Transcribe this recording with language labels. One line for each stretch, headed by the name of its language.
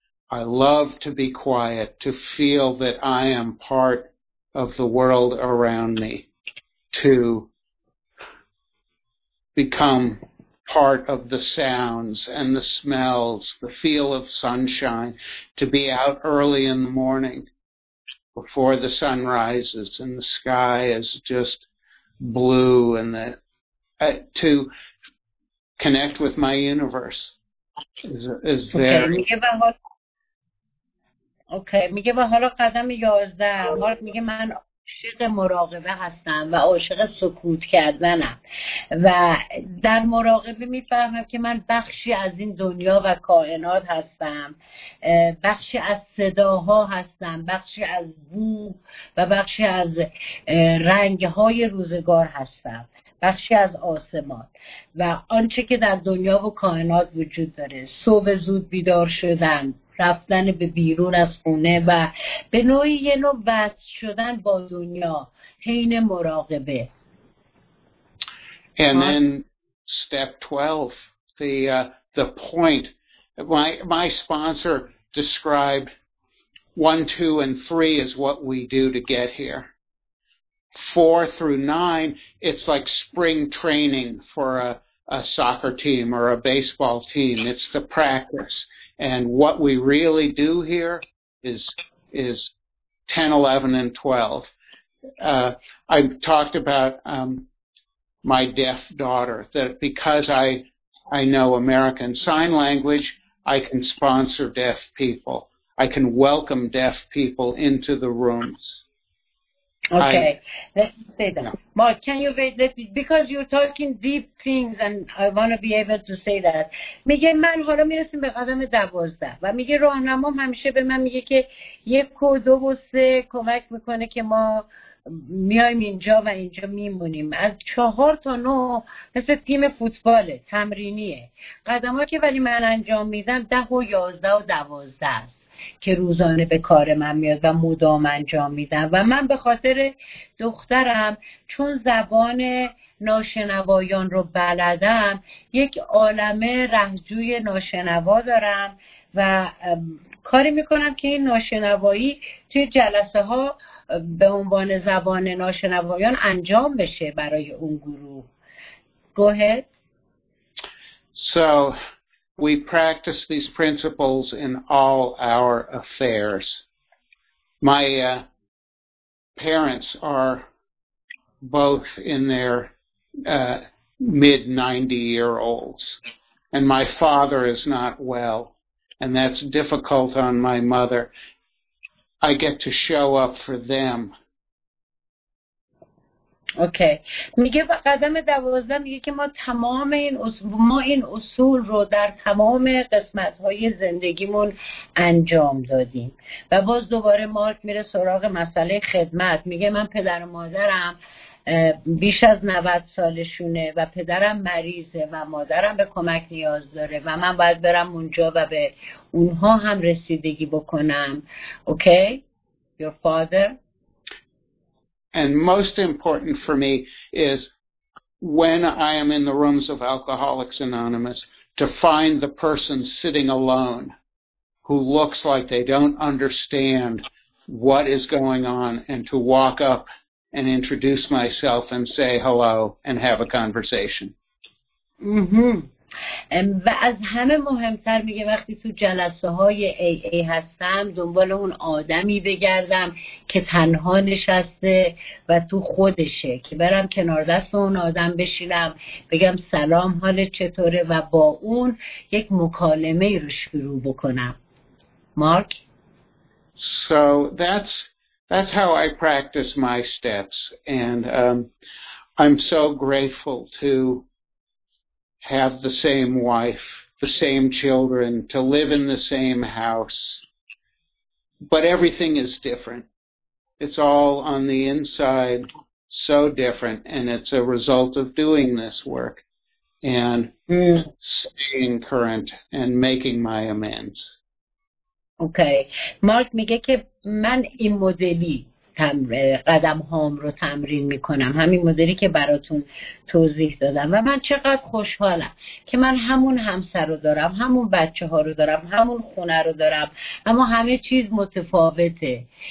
English: I love to be quiet, to feel that I am part of the world around me, to become part of the sounds and the smells, the feel of sunshine, to be out early in the morning before the sun rises and the sky is just blue, and that to connect with my universe is very okay.
Persian: میگه و حالا قدم 11 مارک میگه من عاشق مراقبه هستم و عاشق سکوت کردنم و در مراقبه میفهمم که من بخشی از این دنیا و کائنات هستم، بخشی از صداها هستم، بخشی از بو و بخشی از رنگهای روزگار هستم، بخشی از آسمان و آنچه که در دنیا و کائنات وجود داره. صبح زود بیدار شدن، رفتن به بیرون از خونه و به نوعی یه نوع وصل شدن با دنیا حین مراقبه.
English: And then step 12, the point, my sponsor described 1, 2, and 3 as what we do to get here. 4 through 9, it's like spring training for a soccer team or a baseball team. It's the practice. And what we really do here is 10, 11, and 12. I talked about my deaf daughter, that because I know American Sign Language, I can sponsor deaf people. I can welcome deaf people into the rooms. Okay, let's say that. No. Mark, can you wait? Because you're talking deep things and I want to be able to say that.
Persian: میگه من حالا میرسیم به قدم 12 و میگه راهنمام همیشه به من میگه که 1 و 2 و 3 کمک میکنه که ما میایم اینجا و اینجا میمونیم. از 4 تا 9 مثل تیم فوتباله، تمرینیه. قدم ها که ولی من انجام میدم 10 و 11 و 12 است که روزانه به کار من میاد و مدام انجام میدم و من به خاطر دخترم چون زبان ناشنوایان رو بلدم یک عالمه رهجوی ناشنوا دارم و کاری میکنم که این ناشنوایی توی جلسه ها به عنوان زبان ناشنوایان انجام بشه برای اون گروه.
English: Go ahead. So we practice these principles in all our affairs. My parents are both in their mid-90-year-olds, and my father is not well, and that's difficult on my mother. I get to show up for them. Okay okay.
Persian: میگه با قدم 12 میگه که ما این اصول رو در تمام قسمت‌های زندگیمون انجام دادیم. و باز دوباره مارک میره سراغ مسئله خدمت. میگه من پدر و مادرم بیش از 90 سالشونه و پدرم مریضه و مادرم به کمک نیاز داره و من باید برم اونجا و به اونها هم رسیدگی بکنم.
English: Okay okay? Your father. And most important for me is when I am in the rooms of Alcoholics Anonymous to find the person sitting alone who looks like they don't understand what is going on and to walk up and introduce myself and say hello and have a conversation. Mm-hmm.
Persian: و از همه مهمتر میگه وقتی تو جلسه های AA هستم دنبال اون آدمی بگردم که تنها نشسته و تو خودشه، که برم کنار دست اون آدم بشینم بگم سلام حالت چطوره و با اون یک مکالمه رو شروع بکنم. مارک؟
English: So that's how I practice my steps, and I'm so grateful to have the same wife, the same children, to live in the same house. But everything is different. It's all on the inside, so different, and it's a result of doing this work and staying current and making my amends. Okay.
Persian: مارک میگه که من این مدلی قدم هام رو تمرین میکنم، همین مدلی که براتون توضیح دادم، و من چقدر خوشحالم که من همون همسر رو دارم، همون بچه ها رو دارم، همون خونه رو دارم، اما همه چیز متفاوته.